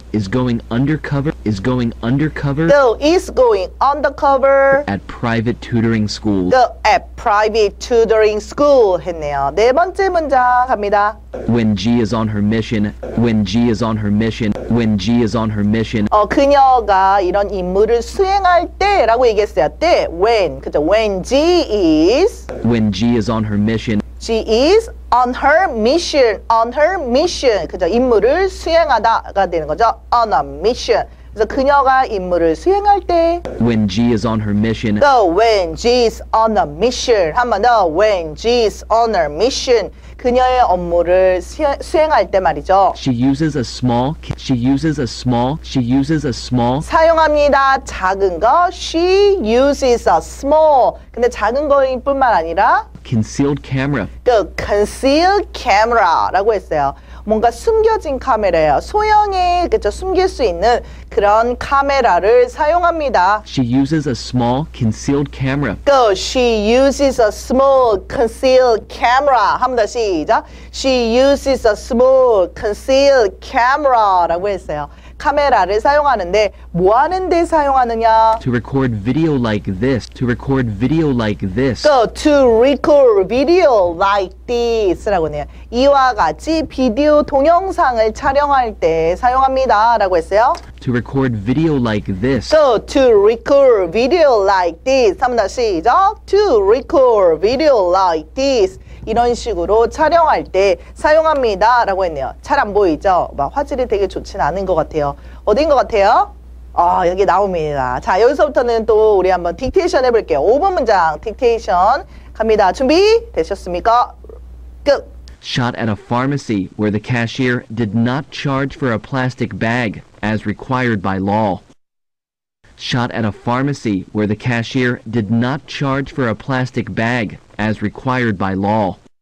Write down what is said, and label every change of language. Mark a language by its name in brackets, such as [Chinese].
[English] Is going undercover. Is going undercover. No, is going undercover. At private tutoring school. Go at private tutoring school 했네요. [Korean] 네 번째 문장 갑니다. [English] When G is on her mission. When G is on her mission. When G is on her mission. [Korean] 그녀가 이런 임무를 수행할 때라고 얘기했어요. [English] 때 when 그죠? When G is. When G is on her mission. G is. On her mission, on her mission. [Korean] 그죠? 임무를 수행하다가 되는 거죠. [English] On a mission. [Korean] 그래서 그녀가 임무를 수행할 때. [English] When G is on her mission. So when G is on a mission. 한 번 더. When G is on her mission. [Korean] 그녀의 업무를 수행할 때 말이죠. [English] She uses a small. She uses a small. She uses a small. [Korean] 사용합니다. 작은 거. She uses a small. 근데 작은 거일 뿐만 아니라. [English] Concealed camera. The concealed camera 라고 했어요. [Korean] 뭔가 숨겨진 카메라예요. 소형의 그렇죠? 숨길 수 있는 그런 카메라를 사용합니다. [English] She uses a small concealed camera. Go. She uses a small concealed camera. [Korean] 한번 더 시작. [English] She uses a small concealed camera 라고 했어요. [Korean] 카메라를 사용하는데 뭐 하는 데 사용하느냐? [English] To record video like this. To record video like this. So to record video like this 라고 하네요. [Korean] 이와 같이 비디오 동영상을 촬영할 때 사용합니다라고 했어요. [English] To record video like this. So to record video like this. [Korean] 한번 더 시작. [English] To record video like this. [Korean] 이런 식으로 촬영할 때 사용합니다 라고 했네요. 잘 안 보이죠? 막 화질이 되게 좋진 않은 것 같아요. 어딘 것 같아요? 여기 나옵니다. 자, 여기서부터는 또 우리 한번 딕테이션 해볼게요. 5번 문장 딕테이션 갑니다. 준비 되셨습니까? 끝! [English] Shot at a pharmacy where the cashier did not charge for a plastic bag as required by law. Shot at a pharmacy where the cashier did not charge for a plastic bag as required by law.